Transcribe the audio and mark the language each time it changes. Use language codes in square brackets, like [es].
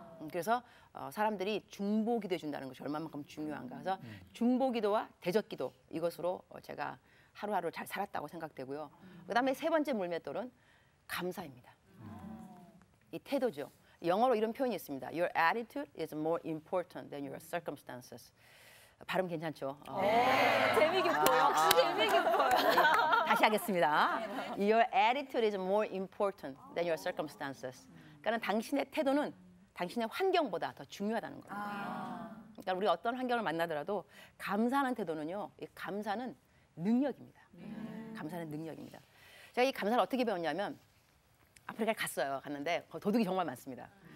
[ko] 그래서 사람들이 중보 기도해 준다는 것이 얼마만큼 중요한가. 그래서 중보 기도와 대적 기도 이것으로 제가 하루하루 잘 살았다고 생각되고요. 그다음에 세 번째 물맷돌은 감사입니다. 이 태도죠. 영어로 이런 표현이 있습니다. [en] Your attitude is more important than your circumstances. [ko] 발음 괜찮죠? 재미있고요. 다시 하겠습니다. [en] Your attitude is more important than your circumstances. [ko] 그러니까 당신의 태도는 당신의 환경보다 더 중요하다는 겁니다. 그러니까 우리가 어떤 환경을 만나더라도 감사하는 태도는요. 이 감사는 능력입니다. 감사는 능력입니다. 제가 이 감사를 어떻게 배웠냐면 아프리카에 갔어요. 갔는데 도둑이 정말 많습니다.